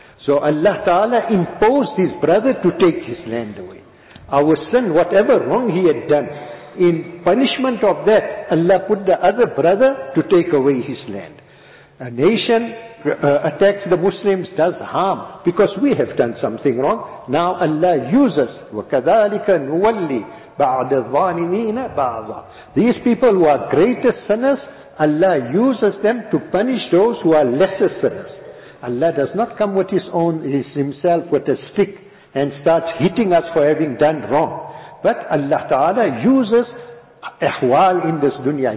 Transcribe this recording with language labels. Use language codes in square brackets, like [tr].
[en] So Allah Ta'ala imposed his brother to take his land away. Our son, whatever wrong he had done, in punishment of that, Allah put the other brother to take away his land. A nation attacks the Muslims, does harm, because we have done something wrong. Now Allah uses, [ar] وَكَذَٰلِكَ نُوَلِّي بَعْدَ الظَّالِمِينَ بَعْضًا. [en] These people who are greatest sinners, Allah uses them to punish those who are lesser sinners. Allah does not come with His own, His Himself with a stick and starts hitting us for having done wrong. But Allah Ta'ala uses ahwal in this dunya.